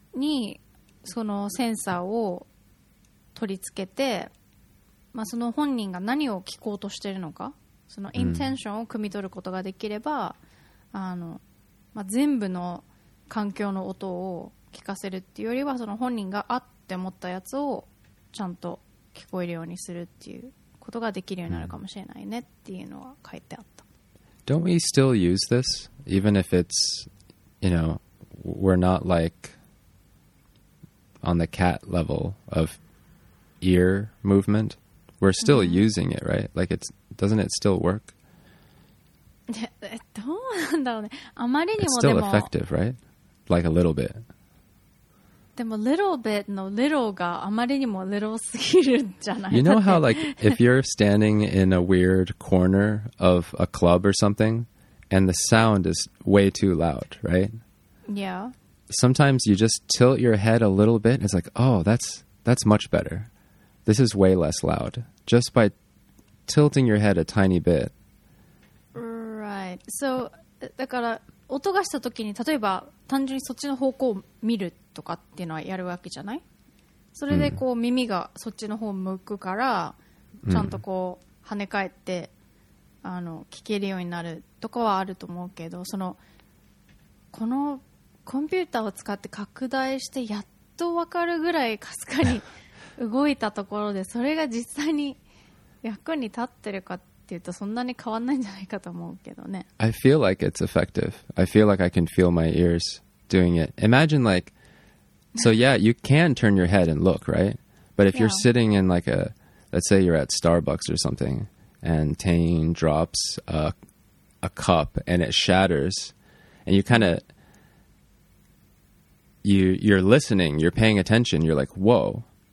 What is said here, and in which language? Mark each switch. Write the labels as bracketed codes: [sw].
[ja] にそのセンサーを取り付けて、まあ、その本人が何を聞こうとしてるのか、そのインテンションを汲み取ることができれば、うん、まあ、全部の環境の音を聞かせるっていうよりは、その本人があって思ったやつをちゃんと聞こえるようにするっていうことができるようになるかもしれないねっていうのは書いてあった。 [en] Don't we still use this? Even if it's, you know, we're not like on the cat level of ear movement. We're still using it, right? Like, doesn't it still work? [ja] どうなんだろうね。あまりにも、 [en] It's still effective, right? Like, a little bit. [ja] でも、little bit の little があまりにも little すぎるんじゃない？ [en] You know how, like, if you're standing in a weird corner of a club or something, and the sound is way too loud, right? Yeah. Sometimes you just tilt your head a little bit, and it's like, oh, that's much better. This is way less loud. Just by tilting your head a tiny bit. Right. [ja] So, だから音がした時に、例えば単純にそっちの方向を見るとかっていうのはやるわけじゃない？それでこう、mm. 耳がそっちの方向くから、ちゃんとこう跳ね返って、聞けるようになるとかはあると思うけど、そのこのコンピューターを使って拡大してやっと分かるぐらいかすかに動いたところで、それが実際に役に立ってるかっていうと、そんなに変わんないんじゃないかと思うけどね。 [en] I feel like it's effective. I feel like I can feel my ears doing it. Imagine like, so yeah, you can turn your head and look, right? But if you're sitting in like a, let's say you're at Starbucks or something, and Tane drops a cup and it shatters, and you kind of, you're listening, you're paying attention, you're like, whoa.